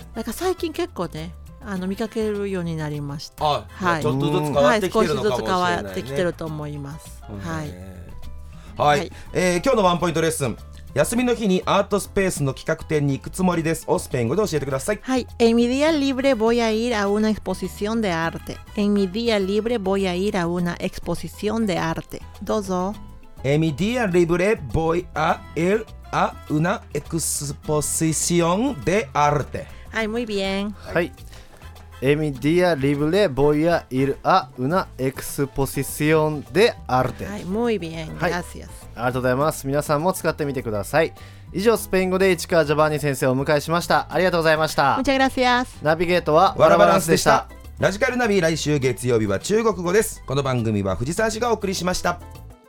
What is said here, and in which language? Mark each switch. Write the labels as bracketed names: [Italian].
[Japanese] うん、なんか最近結構ね、あの見かけるようになりました。あ、はい、ちょっとずつ変わってきてるのかもしれないね、はい、少しずつ変わってきてると思います、うん、はい、はい、今日のワンポイントレッスン、休みの日にアートスペースの企画展に行くつもりですをスペイン語で教えてください。 [Spanish] はい、en mi día libre voy a ir a una exposición de arte. En mi día libre voy a ir a una exposición de arte. [Japanese] どうぞ。 [Spanish] En mi día libre voy a ir a una exposición de arte. Ay, muy bien. Hi. En mi día libre voy a ir a una exposición de arte. Ay, muy bien. Gracias. [Japanese] ありがとうございます。皆さんも使ってみてください。以上、スペイン語で市川ジョバンニ先生をお迎えしました。ありがとうございました。 [Spanish] Muchas gracias. [Japanese] ナビゲートはワラバランスでした。ラジカルナビ、来週月曜日は中国語です。この番組は藤沢氏がお送りしました。